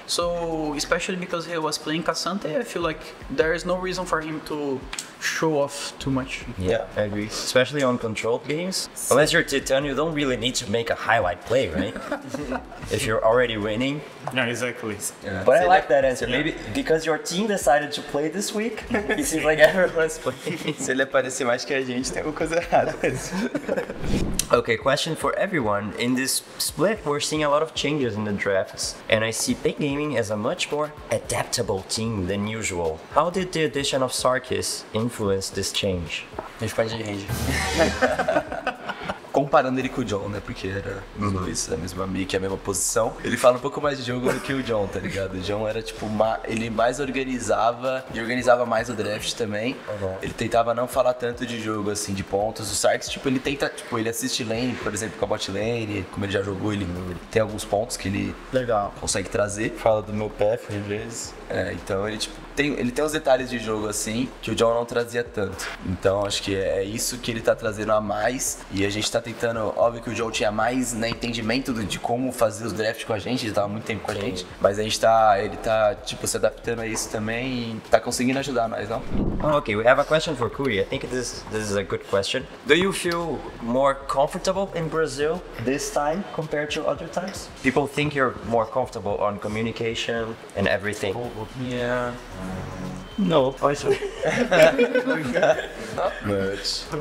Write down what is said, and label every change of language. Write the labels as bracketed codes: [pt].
[en] So, especially because he was playing Cassante, I feel like there is no reason for him to show off too much. Yeah, I agree. Especially on controlled games. Unless you're Titan, you don't really need to make a highlight play, right? If you're already winning. Yeah, exactly. Yeah. But I like that answer. Maybe because your team decided to play this week, it seems like everyone's playing. [pt] Se ele aparecer mais que a gente, tem alguma coisa errada. [en] Okay, question for everyone. In this split, we're seeing a lot of changes in the drafts, and I see Pain Gaming as a much more adaptable team than usual. How did the addition of Sarkis influence this change? [pt] A gente pode ir range. comparando ele com o John, né? Porque era dois, a mesma mic, a mesma posição. Ele fala um pouco mais de jogo do que o John, tá ligado? O John era, tipo, ele mais organizava e organizava mais o draft também. Ele tentava não falar tanto de jogo, assim, de pontos. O Sarks, tipo, ele tenta, tipo, ele assiste lane, por exemplo, com a bot lane. Como ele já jogou, ele tem alguns pontos que ele consegue trazer. Fala do meu path, às vezes. É, então ele, tipo, ele tem uns detalhes de jogo, assim, que o John não trazia tanto. Então, acho que é isso que ele tá trazendo a mais. E a gente tá tentando... Óbvio que o John tinha mais, né, entendimento de como fazer os drafts com a gente. Ele tava muito tempo com a gente. Mas a gente tá... Ele tá, tipo, se adaptando a isso também e tá conseguindo ajudar nós, não? [en] Ok, we have a question for Kui. I think this is a good question. Do you feel more comfortable in Brazil this time compared to other times? People think you're more comfortable on communication and everything. Yeah. No, I saw. Not much.